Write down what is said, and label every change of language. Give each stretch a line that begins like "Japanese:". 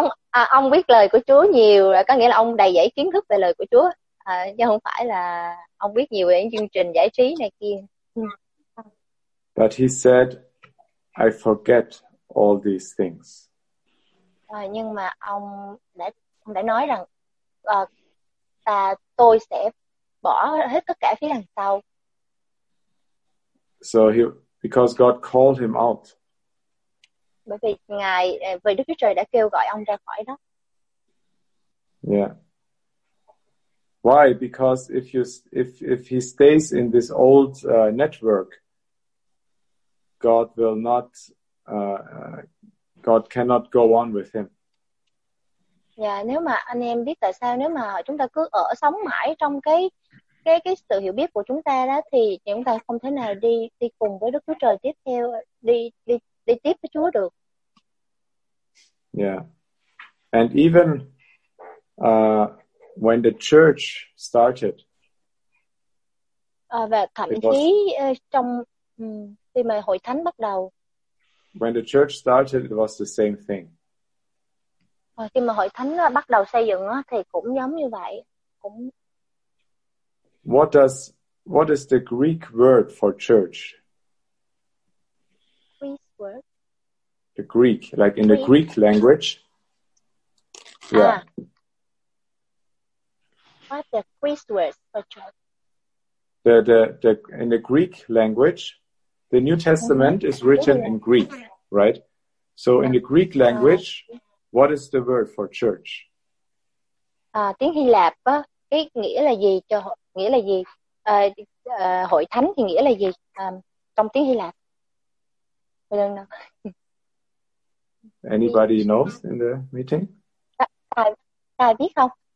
Vietnamese: ông biết lời của Chúa nhiều, có nghĩa là ông đầy dẫy kiến thức về lời của Chúa, chứ không phải là ông biết nhiều về những chương trình giải trí này kia.
English: But he said, I forget all these things.
Vietnamese: Nhưng mà ông đã nói rằng tôi sẽ bỏ hết tất cả phía đằng sau.
English: So he, because God called him out.
Vietnamese: Bởi vì Ngài, vì Đức Chúa Trời đã kêu gọi ông ra khỏi đó.
English: Yeah. Why? Because if he stays in this old network, God will not God cannot go on with him.
Vietnamese: Yeah, nếu mà anh em biết tại sao, nếu mà chúng ta cứ ở sống mãi trong cái sự hiểu biết của chúng ta đó, thì chúng ta không thể nào đi cùng với Đức Chúa Trời tiếp theo, đi tiếp với Chúa được.
English: Yeah. And even when the church started.
Vietnamese: Và thậm chí trong khi mà hội thánh bắt đầu.
English: When the church started, it was the same thing.
Vietnamese: Khi mà hội thánh bắt đầu xây dựng thì cũng giống như vậy, cũng.
English: What is the Greek word for church? Greek word. The Greek, like in the Greek language. Yeah. What's the Greek word for church? The in the Greek language, the New Testament is written in Greek, right? So in the Greek language, what is the word for church?
Vietnamese: Tiếng Hy Lạp á, cái nghĩa là gì cho nghĩa là gì? Hội thánh thì nghĩa là gì? Trong tiếng Hy Lạp.
English: Anybody knows in the meeting?
Vietnamese: Tài biết không?